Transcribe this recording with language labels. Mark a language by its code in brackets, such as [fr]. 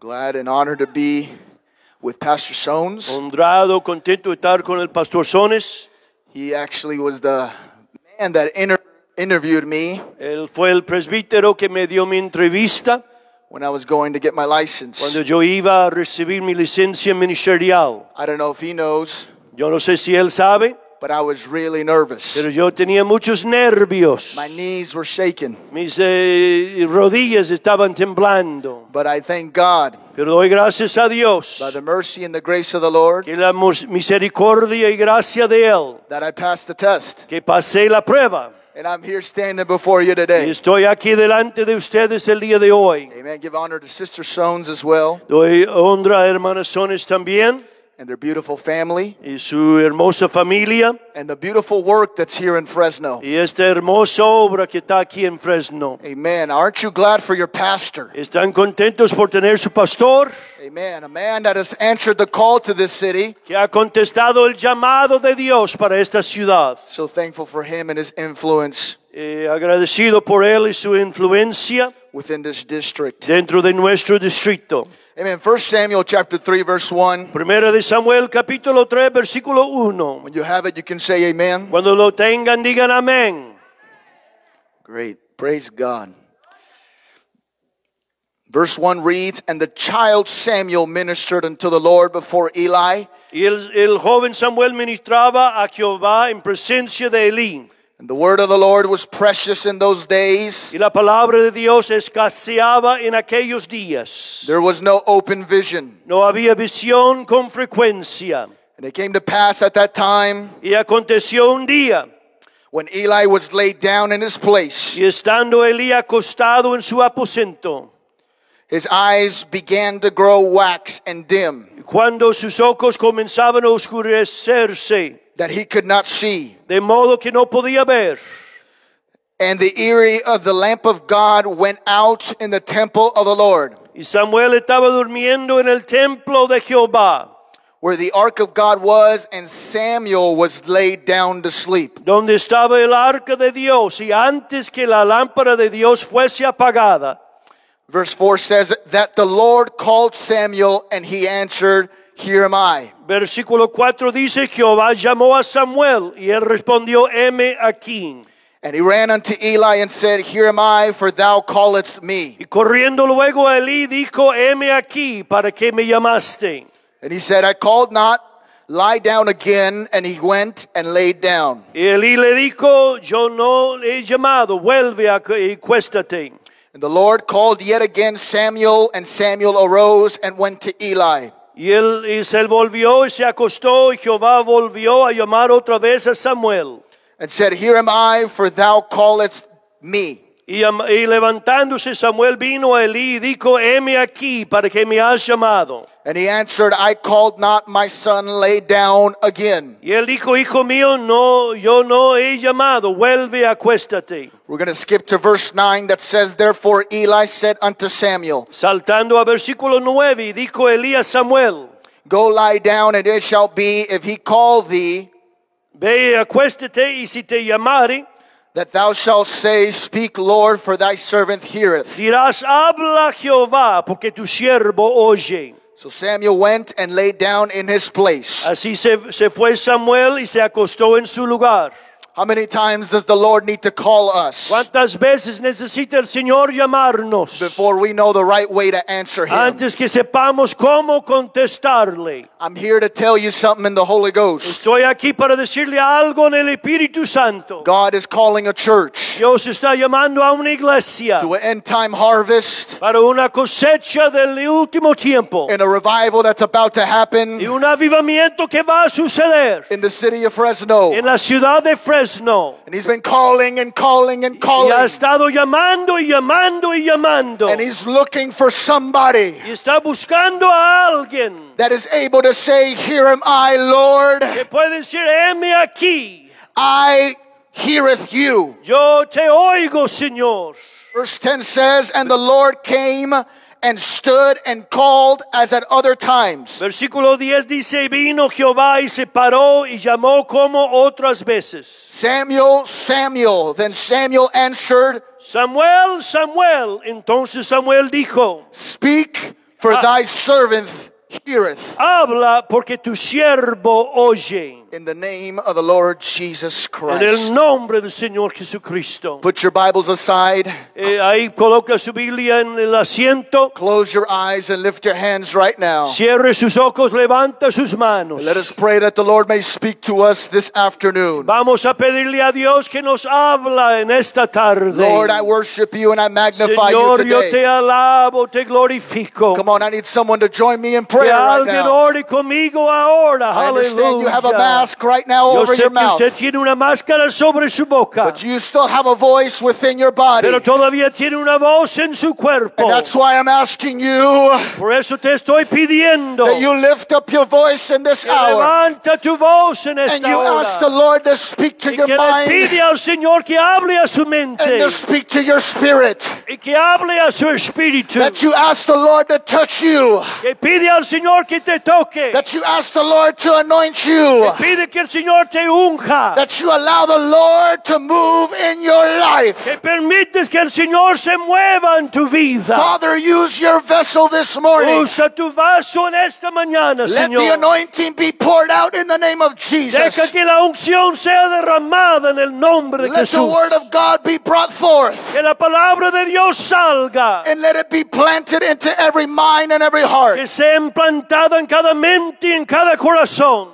[en] glad and honored to be with Pastor Sones. [es] Honrado, contento de estar con el Pastor Sones. [en] He actually was the man that interviewed me. [es] Él fue el presbítero que me dio mi entrevista. [en] When I was going to get my license. [es] Cuando yo iba a recibir mi licencia ministerial. [en] I don't know if he knows. [es] Yo no sé si él sabe. [en] But I was really nervous. [es] Pero yo tenía muchos nervios. [en] My knees were shaking. [es] Mis rodillas estaban temblando. [en] But I thank God. [es] Pero doy gracias a Dios. [en] By the mercy and the grace of the Lord. [es] Que la misericordia y gracia de Él. [en] That I passed the test. [es] Que pasé la prueba. [en] And I'm here standing before you today. [es] Y estoy aquí delante de ustedes el día de hoy. [en] Amen. Give honor to Sister Sones as well. [es] Doy honor a hermana Sones también. [en] And their beautiful family. [es] Y su hermosa familia. [en] And the beautiful work that's here in Fresno. [es] Y esta hermosa obra que está aquí en Fresno. [en] Amen. Aren't you glad for your pastor? [es] ¿Están contentos por tener su pastor? [en] Amen. A man that has answered the call to this city. [es] Que ha contestado el llamado de Dios para esta ciudad. [en] So thankful for him and his influence. [es] Y agradecido por él y su influencia. [en] Within this district. [es] Dentro de nuestro distrito. [en] Amen. 1 Samuel chapter 3 verse 1. [es] Primera de Samuel capítulo 3 versículo 1. [en] When you have it, you can say amen. [es] Cuando lo tengan, digan amén. [en] Great. Praise God. Verse 1 reads, and the child Samuel ministered unto the Lord before Eli. [es] Y el joven Samuel ministraba a Jehová en presencia de Eli. [en] And the word of the Lord was precious in those days. [es] Y la palabra de Dios escaseaba en aquellos días. [en] There was no open vision. [es] No había visión con frecuencia. [en] And it came to pass at that time. [es] Y aconteció un día. [en] When Eli was laid down in his place. [es] Y estando Eli acostado en su aposento. [en] His eyes began to grow wax and dim. [es] Cuando sus ojos comenzaban a oscurecerse. [en] That he could not see. [es] De modo que no podía ver. [en] And the eerie of the lamp of God went out in the temple of the Lord. [es] Y Samuel estaba durmiendo en el templo de Jehová. [en] Where the ark of God was and Samuel was laid down to sleep. [es] Donde estaba el arca de Dios y antes que la lámpara de Dios fuese apagada. [en] Verse 4 says that the Lord called Samuel and he answered, "Here am I." [es] Versículo 4 dice, Jehová llamó a Samuel y él respondió, "Heme aquí." [en] And he ran unto Eli and said, "Here am I, for thou calledst me." [es] Y corriendo luego a Eli dijo, "Heme aquí, para que me llamaste." [en] And he said, "I called not, lie down again." And he went and laid down. [es] Y Eli le dijo, "Yo no he llamado, vuelve y cuéstate." [en] And the Lord called yet again Samuel, and Samuel arose and went to Eli. [es] Y él se volvió y se acostó, y Jehová volvió a llamar otra vez a Samuel. [en] And said, "Here am I, for thou callest me." [es] Y levantándose Samuel vino a Eli y dijo, "Heme aquí, para que me has llamado." [en] And he answered, "I called not, my son, lay down again." [es] Y él dijo, "Hijo mío, no, yo no he llamado, vuelve, acuéstate." [en] We're going to skip to verse 9 that says, "Therefore Eli said unto Samuel." [es] Saltando a versículo 9, dijo Eli a Samuel, [en] "Go lie down, and it shall be, if he call thee, [es] ve, acuéstate, y si te llamare, [en] that thou shalt say, 'Speak, Lord, for thy servant heareth.'" [es] Dirás, habla Jehová, porque tu siervo oye. [en] So Samuel went and lay down in his place. [es] Así se fue Samuel y se acostó en su lugar. [en] How many times does the Lord need to call us? [es] ¿Cuántas veces necesita el Señor llamarnos? [en] Before we know the right way to answer him. [es] Antes que sepamos cómo contestarle. [en] I'm here to tell you something in the Holy Ghost. [es] Estoy aquí para decirle algo en el Espíritu Santo. [en] God is calling a church. [es] Dios está llamando a una iglesia. [en] To an end time harvest. [es] Para una cosecha del último tiempo. [en] In a revival that's about to happen. [es] Y un avivamiento que va a suceder. [en] In the city of Fresno. [es] En la ciudad de Fresno. [en] And he's been calling and calling and calling. [es] Y ha estado llamando y llamando y llamando. [en] And he's looking for somebody. [es] Y está buscando a alguien. [en] That is able to say, "Here am I, Lord." [es] Que puede decir, "Heme aquí." [en] "I heareth you." [es] Yo te oigo, Señor. [en] Verse 10 says, "And the Lord came and stood and called as at other times." [es] Versículo 10 dice, vino Jehová y se paró y llamó como otras veces. [en] "Samuel, Samuel." Then Samuel answered, [es] "Samuel, Samuel." Entonces Samuel dijo, [en] "Speak, for thy servant heareth." [es] Habla, porque tu siervo oye. [en] In the name of the Lord Jesus Christ. [es] En el nombre del Señor Jesucristo. [en] Put your Bibles aside. [es] Ahí coloca su Biblia en el asiento. [en] Close your eyes and lift your hands right now. [es] Cierre sus ojos, levanta sus manos. [en] Let us pray that the Lord may speak to us this afternoon. [es] Vamos a pedirle a Dios que nos habla en esta tarde. [en] Lord, I worship you and I magnify [es] Señor, [en] you today. [es] Señor, yo te alabo, te glorifico. [en] Come on, I need someone to join me in prayer [es] que [en] right now. [es] Ore conmigo ahora. Hallelujah. [en] I understand you have a mask right now [es] yo [en] over your mouth. [es] Usted tiene una máscara sobre su boca. [en] But you still have a voice within your body. [es] Pero todavía tiene una voz en su cuerpo. [en] And that's why I'm asking you. [es] Por eso te estoy pidiendo. [en] That you lift up your voice in this hour. [es] Levanta tu voz en esta [en] and you [es] hora. [en] Ask the Lord to speak to [es] y [en] your mind. [es] Y que pide al Señor que hable a su mente. [en] And to speak to your spirit. [es] Y que hable a su espíritu. [en] That you ask the Lord to touch you. [es] Que pide al Señor que te toque. [en] That you ask the Lord to anoint you. [es] Pide que el Señor te unja. [en] That you allow the Lord to move in your life. [es] Que permites que el Señor se mueva en tu vida. [en] Father, use your vessel this morning. [es] Usa tu vaso en esta mañana, [en] Let [es] Señor. [en] The anointing be poured out in the name of Jesus. [es] Deja que la unción sea derramada en el nombre de [en] let [es] Jesús. [en] Let the word of God be brought forth. [es] Que la palabra de Dios salga. [en] And let it be planted into every mind and every heart. [es] Que sea implantada en cada mente y en cada corazón.